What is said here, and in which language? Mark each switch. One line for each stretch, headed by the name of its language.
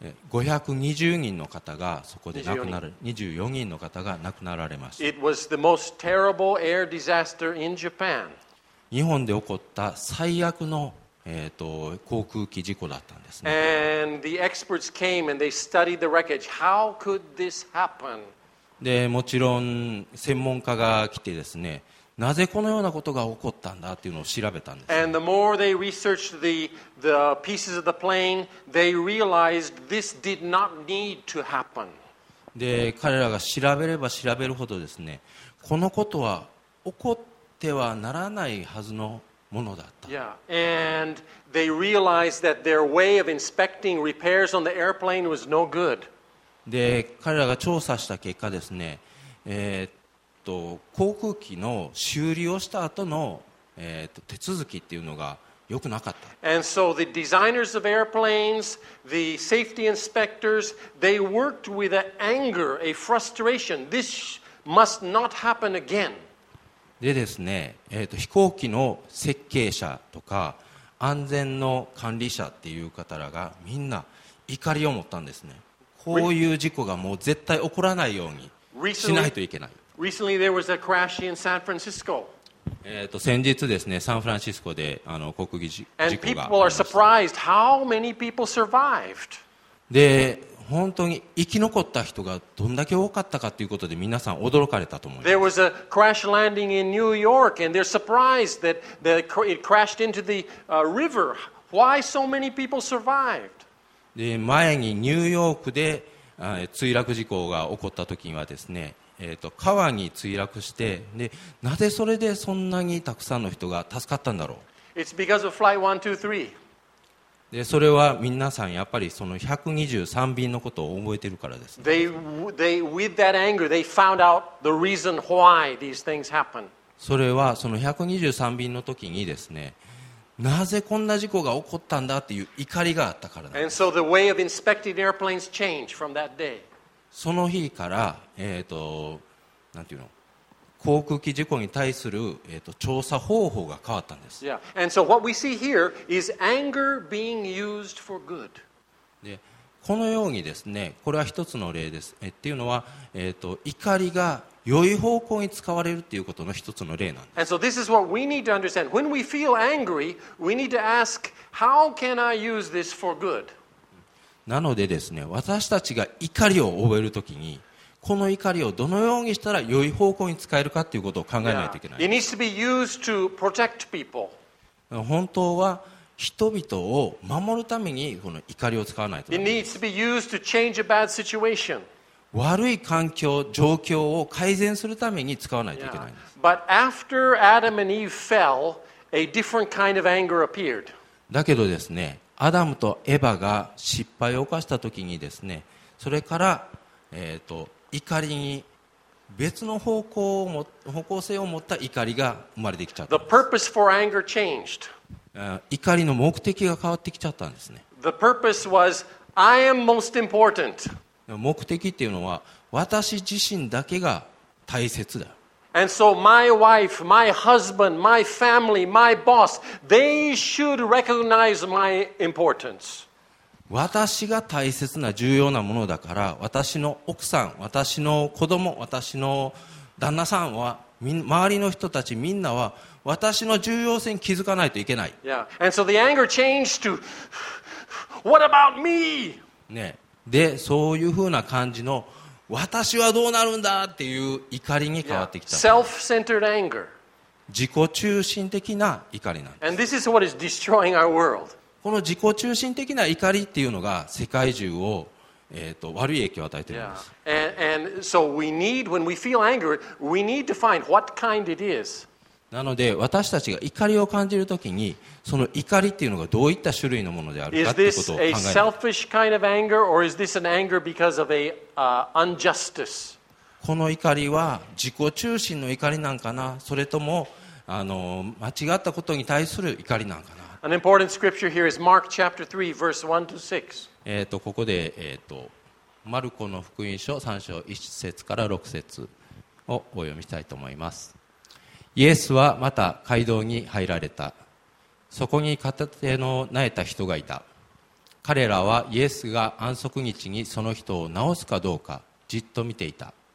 Japanese: 520人の方がそこで亡くなる、24人の方が亡くなられました。
English: It was the most terrible air disaster in Japan.
Japanese: 日本で起こった最悪の航空機事故だったんですね。
English: And the experts came and they studied the wreckage. How could this happen?
Japanese: で、もちろん専門家が来てですね、なぜこのようなことが起こったんだっていうのを調べたんです、ね。
English: And the more they researched the pieces of the plane, they realized this did not need to happen.
Japanese: で、彼らが調べれば調べるほどですね、このことは起こってはならないはずの。ものだった。
English: Yeah, and they realized that their way of inspecting repairs on the airplane was no good.
Japanese: で、彼らが調査した結果ですね、航空機の修理をした後の、手続きっていうのが良くなかった。
English: And so the designers of airplanes, the safety inspectors, they worked with an anger, a frustration. This must not happen again.
Japanese: でですね、飛行機の設計者とか安全の管理者っていう方らがみんな怒りを持ったんですね。こういう事故がもう絶対起こらないようにしないといけない。
English: Recently, there was a crash in San Francisco.
Japanese: 先日ですね、サンフランシスコで航空機事故が。
English: And people are surprised how many people survived.
Japanese: で、本当に生き残った人がどんだけ多かったかということで皆さん驚かれたと思います。
English: There was a crash landing in New York and they're surprised that it crashed into the river. Why so many people survived?
Japanese: で前にニューヨークで墜落事故が起こった時にはですね、川に墜落して、でなぜそれでそんなにたくさんの人が助かったんだろう。
English: It's because of flight 123.
Japanese: でそれは皆さんやっぱりその123便のことを覚えてるからです、ね、
English: they with that anger they found out the reason why these things happen.
Japanese: それはその123便の時にですね、なぜこんな事故が起こったんだっていう怒りがあったからなんです。
English: And so the way of inspecting airplanes changed from that day.
Japanese: その日から、なんていうの、航空機事故に対する、調査方法が変わったんです。
English: Yeah. And so what we see here is anger being used for good.
Japanese: で、このようにですね、これは一つの例です。っていうのは、怒りが良い方向に使われるっていうことの一つの例なんです。
English: And so this is what we need to understand. When we feel angry, we need to ask, how can I use this for good?
Japanese: なのでですね、私たちが怒りを覚えるときに、この怒りをどのようにしたら良い方向に使えるかということを考えないといけない。
English: It needs to be used to protect people.
Japanese: 本当は人々を守るためにこの怒りを使わないと。
English: It needs to be used to change a bad situation.
Japanese: 悪い環境、状況を改善するために使わないといけないんです。
English: But after Adam and Eve fell, a different kind of anger appeared.
Japanese: だけどですね、アダムとエバが失敗を犯したときにですね、それから、怒りに別の方向性を持った怒りが生まれてきちゃった。
English: The purpose for anger changed.
Japanese: 怒りの目的が変わってきちゃったんですね。
English: The purpose was, I am most important.
Japanese: 目的っていうのは私自身だけが大切だ。
English: And so my wife, my husband, my family, my boss, they should recognize my importance.
Japanese: 私が大切な重要なものだから、私の奥さん、私の子供、私の旦那さんは、周りの人たちみんなは私の重要性に気づかないといけない。
English: Yeah. And so the anger changed to, what about me?
Japanese: ね。で、そういうふうな感じの私はどうなるんだっていう怒りに変わってきた。
English: Self-centered anger.
Japanese: 自己中心的な怒りなんです。
English: And this is what is destroying our world.
Japanese: この自己中心的な怒りっていうのが世界中を悪い影響を与えているんです。
English: Yeah. And so we need, when we feel anger, we need to find what kind it is.
Japanese: なので私たちが怒りを感じるときに、その怒りっていうのがどういった種類のものであるかということを考える。
English: Is this a selfish kind of anger, or is this an anger because of a injustice?
Japanese: この怒りは自己中心の怒りなんかな、それとも間違ったことに対する怒りなんかな。
English: An important scripture here is Mark chapter 3, verse 1 to 6.
Japanese: ここで、マルコの福音書3章1節から6節をお読みしたいと思います。イエスはまた街道に入られた。そこに片手のなえた人がいた。彼らはイエスが安息日にその人を治すかどうかじっと見ていた。